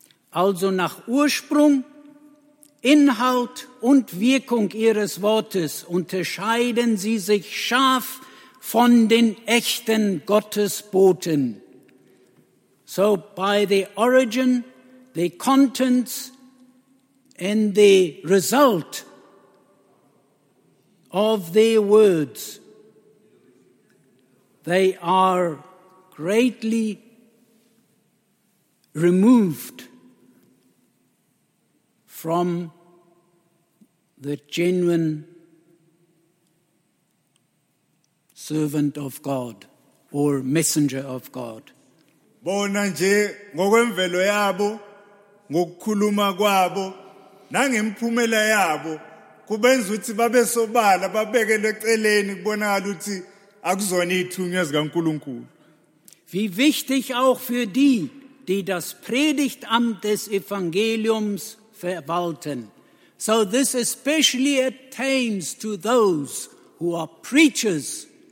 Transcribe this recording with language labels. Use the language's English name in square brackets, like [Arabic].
[German] Also nach Ursprung, Inhalt und Wirkung ihres Wortes unterscheiden sie sich scharf von den echten Gottesboten. [English] So by the origin, the contents and the result of their words, they are greatly removed from the genuine servant of God or messenger of God. [Zulu] Bona nje ngokwemvelo yabo ngokukhuluma kwabo nangemphumela yabo kubenza ukuthi babe sobala babekele eceleni kubonakala ukuthi akuzona ithunywa zikaNkuluNkulu. [German] Wie wichtig auch für die, die das Predigtamt des Evangeliums verwalten. [English] So this especially attains to those who are preachers.